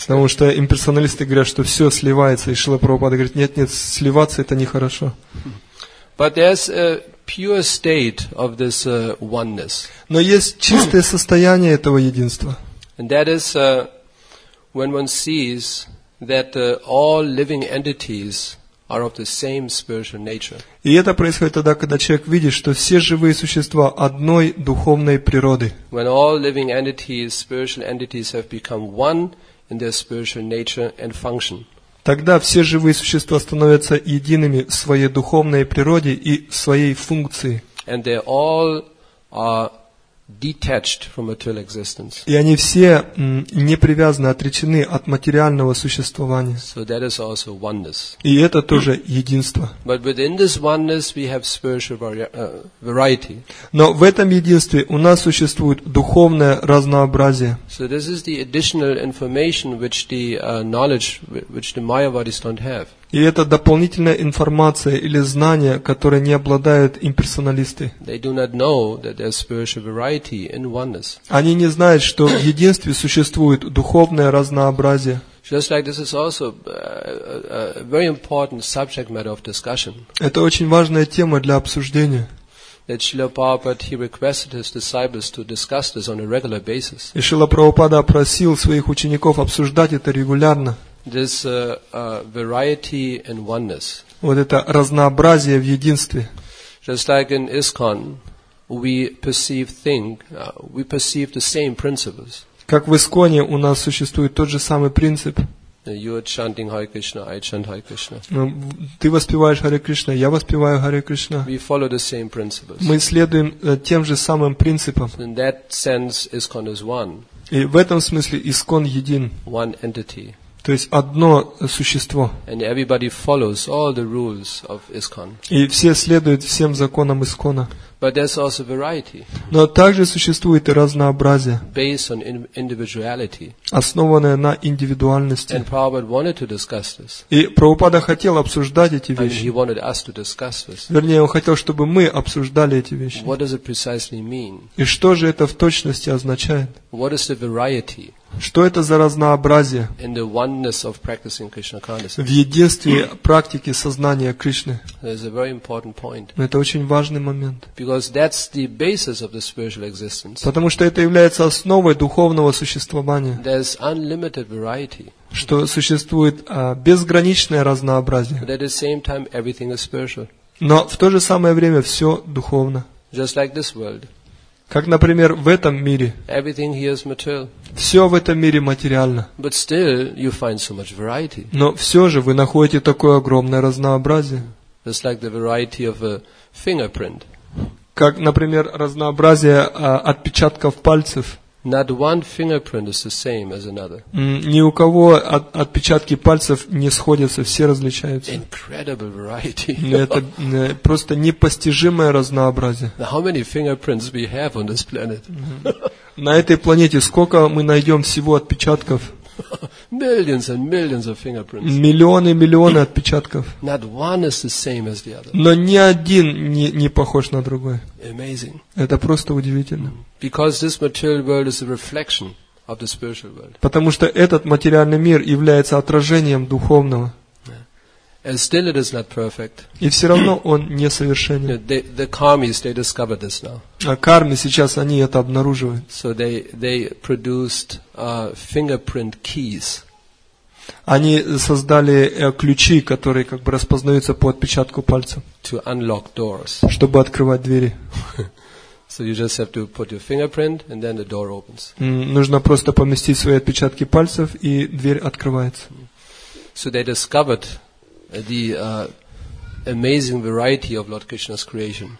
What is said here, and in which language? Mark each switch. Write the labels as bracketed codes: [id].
[ru] Потому что имперсоналисты говорят, что все сливается. И Шрила Прабхупада говорит, нет, нет, сливаться это нехорошо. [en] But there's a pure state of this oneness. [ru] Но есть чистое состояние этого единства. [en] And that is when one sees that all living entities are of the same spiritual nature. [ru] И это происходит тогда, когда человек видит, что все живые существа одной духовной природы. [en] When all living entities, spiritual entities have become one in their spiritual nature and function. [ru] Тогда все живые существа становятся едиными в своей духовной природе и в своей функции. [en] And they all are detached from material existence. [ru] И они все не привязаны, отречены от материального существования. [en] So that is also oneness. [ru] И это тоже единство. [en] But within this oneness we have spiritual variety. [ru] Но в этом единстве у нас существует духовное разнообразие. [en] So this is the additional information which the knowledge which the Mayavadis don't have. [ru] И это дополнительная информация или знание, которое не обладают имперсоналисты. [en] They do not know that there is spiritual variety in oneness. [ru] Они не знают, что в единстве существует духовное разнообразие. [en] Just like this is also a very important subject matter of discussion. [ru] Это очень важная тема для обсуждения. [en] That Srila Prabhupada, he requested his disciples to discuss this on a regular basis. [ru] И Шрила Прабхупада просил своих учеников обсуждать это регулярно. [en] this variety and oneness. [ru] Вот это разнообразие в единстве. [en] Just like in ISKCON, we perceive things, we perceive the same principles. [ru] Как в ИСКОНе у нас существует тот же самый принцип. [en] You are chanting Hare Krishna, I chant Hare Krishna. [ru] Ты воспеваешь Hare Krishna, я воспеваю Hare Krishna. [en] We follow the same principles. [ru] Мы следуем тем же самым принципам. [en] In that sense, ISKCON is one. [ru] И в этом смысле ИСКОН един. [en] One entity. [ru] То есть одно существо. [en] And everybody follows all the rules of ISKCON. [ru] И все следуют всем законам ИСКОНа. [en] But there's also variety. [ru] Но также существует и разнообразие. [en] Based on individuality. [ru] Основанное на индивидуальности. [en] And Prabhupada wanted to discuss this. [ru] И Прабхупада хотел обсуждать эти вещи. [en] And he wanted us to discuss this. [ru] Вернее, он хотел, чтобы мы обсуждали эти вещи. [en] What does it precisely mean? [ru] И что же это в точности означает? [en] What is the variety? [ru] Что это за разнообразие [en] in the oneness of practicing Krishna consciousness. [ru] В единстве практики сознания Кришны? [en] That's a very important point. [ru] Это очень важный момент. [en] Because that's the basis of the spiritual existence. [ru] Потому что это является основой духовного существования. [en] There's unlimited variety. [ru] Что существует безграничное разнообразие. [en] But at the same time, everything is spiritual. [ru] Но в то же самое время все духовно. [en] Just like this world. [ru] Как, например, в этом мире. [en] Everything here is material. [ru] Все в этом мире материально. [en] But still you find so much variety. [ru] Но все же вы находите такое огромное разнообразие. [en] Just like the variety of a fingerprint. [ru] Как, например, разнообразие отпечатков пальцев. [en] Not one fingerprint is the same as another. [ru] Ни у кого отпечатки пальцев не сходятся, все различаются. [en] Incredible variety. [ru] Это просто непостижимое разнообразие. [en] How many fingerprints we have on this planet? [ru] На этой планете сколько мы найдем всего отпечатков? [en] Millions and millions of fingerprints. [ru] Миллионы и миллионы отпечатков. [en] Not one is the same as the other. [ru] Но ни один не похож на другой. [en] Amazing. [ru] Это просто удивительно. [en] Because this material world is a reflection of the spiritual world. [ru] Потому что этот материальный мир является отражением духовного. [en] And still it is not perfect. [ru] И все равно он несовершенен. [en] The karmis, they discovered this now. [ru] А кармы сейчас они это обнаруживают. [en] So they produced fingerprint keys. [ru] Они создали ключи, которые как бы распознаются по отпечатку пальца. [en] To unlock doors. [ru] Чтобы открывать двери. [en] So you just have to put your fingerprint and then the door opens. [ru] Нужно просто поместить свои отпечатки пальцев и дверь открывается. [en] So they discovered the amazing variety of Lord Krishna's creation.